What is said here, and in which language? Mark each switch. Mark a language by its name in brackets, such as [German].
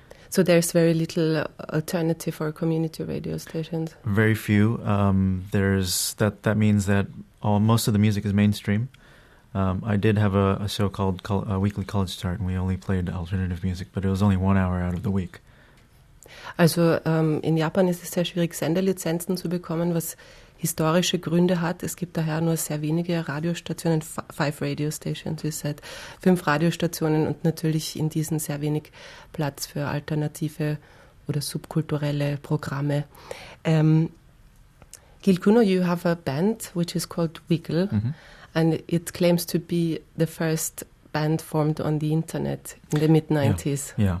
[English] So there's very little alternative for community radio stations. Very few. That means that most of the music is mainstream. I did have a show called a Weekly College Chart, and we only played alternative music, but it was only 1 hour out of the week. [German] Also in Japan ist es sehr schwierig, Senderlizenzen zu bekommen, was historische Gründe hat. Es gibt daher nur sehr wenige Radiostationen, [English] five radio stations, [German] wie gesagt, fünf Radiostationen und natürlich in diesen sehr wenig Platz für alternative oder subkulturelle Programme. [English] Gil Kuno, you have a band which is called Wiggle, mm-hmm. and it claims to be the first band formed on the internet in the mid-90s.